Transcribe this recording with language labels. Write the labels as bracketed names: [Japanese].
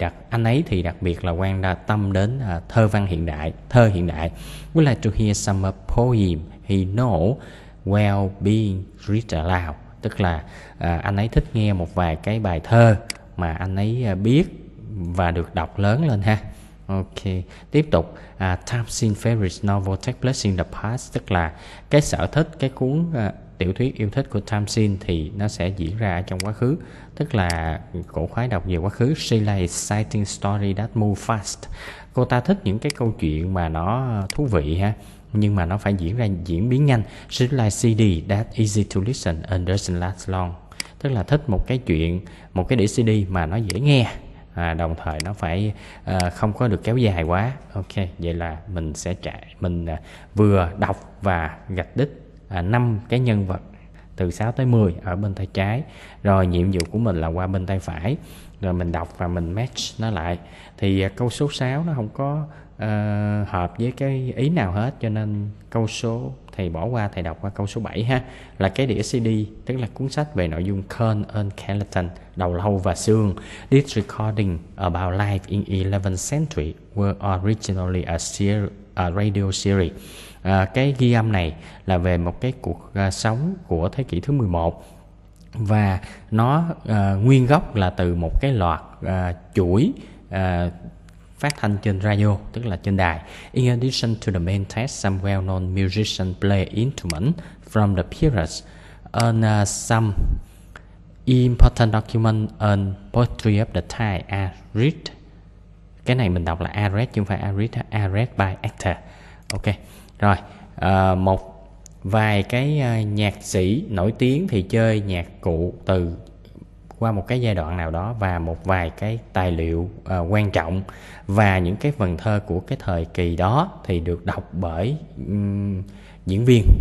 [Vietnamese] Anh ấy thì đặc biệt là quan tâm đến thơ văn hiện đại, thơ hiện đại. [English] Would like to hear some poem he know well being read aloud. [Vietnamese] Tức là anh ấy thích nghe một vài cái bài thơ mà anh ấy biết và được đọc lớn lên ha. Ok, tiếp tục. [English] Tamsin's favorite novel takes place in the past. [Vietnamese] Tức là cái sở thích, cái cuốn tiểu thuyết yêu thích của Tamsin thì nó sẽ diễn ra trong quá khứ. Tức là cổ khoái đọc về quá khứ. [English] She likes exciting story that move fast. [Vietnamese] Cô ta thích những cái câu chuyện mà nó thú vị ha, nhưng mà nó phải diễn ra, diễn biến nhanh. [English] She likes CD that easy to listen and doesn't last long. [Vietnamese] Tức là thích một cái chuyện, một cái đĩa CD mà nó dễ nghe. À, đồng thời nó phải không có được kéo dài quá. Ok, vậy là mình sẽ chạy, mình vừa đọc và gạch đích 5 cái nhân vật từ 6 tới 10 ở bên tay trái. Rồi nhiệm vụ của mình là qua bên tay phải, rồi mình đọc và mình match nó lại. Thì câu số 6 nó không có hợp với cái ý nào hết, cho nên câu số thầy bỏ qua, thầy đọc qua câu số 7 ha. Là cái đĩa CD, tức là cuốn sách về nội dung Kern and Kellerton, Đầu Lâu và Xương. [English] This recording about life in 11th century were originally a radio series. [Vietnamese] Cái ghi âm này là về một cái cuộc sống của thế kỷ thứ 11, và nó nguyên gốc là từ một cái loạt chuỗi phát thanh trên radio, tức là trên đài. [English] In addition to the main text, some well-known musicians play instruments from the period, and some important documents and poetry of the time are read. [Vietnamese] Cái này mình đọc là are read chứ không phải [English] are read by actor. [Vietnamese] Ok, rồi một vài cái nhạc sĩ nổi tiếng thì chơi nhạc cụ từ qua một cái giai đoạn nào đó, và một vài cái tài liệu quan trọng và những cái phần thơ của cái thời kỳ đó thì được đọc bởi diễn viên.